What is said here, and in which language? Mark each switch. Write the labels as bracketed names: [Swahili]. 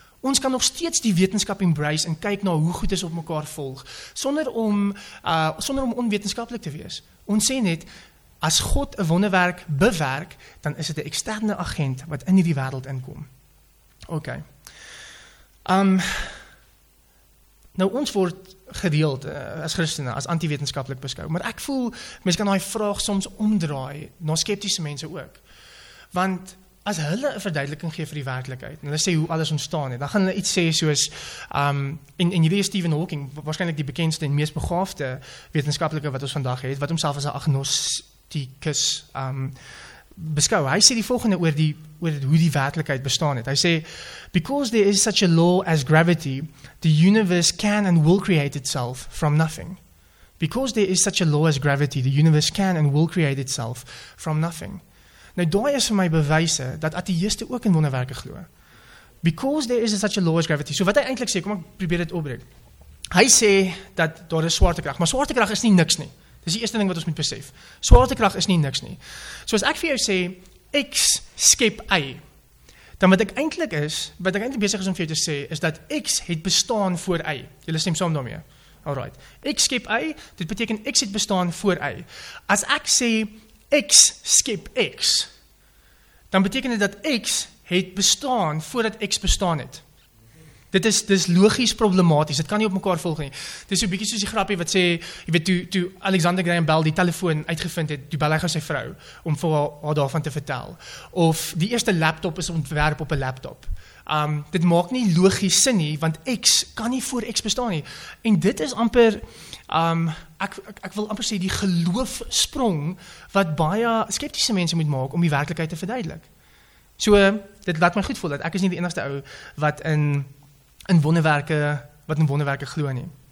[Afrikaans] Ons kan nog steeds die wetenskap embrace en kyk na hoe goed is op mekaar volg, sonder om onwetenskaplik te wees. Ons sê net, as God 'n wonderwerk bewerk, dan is dit 'n externe agent wat in hierdie wêreld inkom. Ok. Nou, ons word gedeeld as Christene, as anti-wetenskaplik beskou, maar ek voel, mens kan die vraag soms omdraai, na skeptiese mense ook, want as hulle 'n verduideliking gee vir die werklikheid, en hulle sê hoe alles ontstaan het, dan gaan hulle iets sê soos, en hierdie is Stephen Hawking, waarschijnlijk die bekendste en meest begaafde wetenskaplike wat ons vandag het, wat homself as 'n agnosticus beskou. Hy sê die volgende oor hoe die werklikheid bestaan het. Hy sê, [English] because there is such a law as gravity, the universe can and will create itself from nothing. Because there is such a law as gravity, the universe can and will create itself from nothing. [Afrikaans] Nou, daai is vir my bewyse dat ateïste ook in wonderwerke glo. [English] Because there is such a law as gravity. [Afrikaans] So wat hy eintlik sê, kom ek probeer dit opbreek. Hy sê dat daar is swaartekrag, maar swaartekrag is nie niks nie. Dis die eerste ding wat ons moet besef. Swaartekrag is nie niks nie. So as ek vir jou sê, X skep Y, dan wat ek eintlik besig is om vir jou te sê, is dat X het bestaan voor Y. Julle stem saam daarmee. Alright. X skep Y, dit beteken X het bestaan voor Y. As ek sê, X skep X, dan beteken dit dat X het bestaan voordat X bestaan het. Dit is logisch problematisch. Dit kan nie op mekaar volg nie. Dit is so bietjie soos die grappie wat sê, jy weet, toe Alexander Graham Bell die telefoon uitgevind het, toe bel hy gaan sy vrou, om vir haar daarvan te vertel. Of die eerste laptop is ontwerp op 'n laptop. Dit maak nie logisch sin nie, want X kan nie voor X bestaan nie. En dit is amper, ek wil amper sê, die geloofsprong, wat baie skeptiese mense moet maak, om die werklikheid te verduidelik. So, dit laat my goed voel, dat ek is nie die enigste ou, wat in wonderwerke glo nie.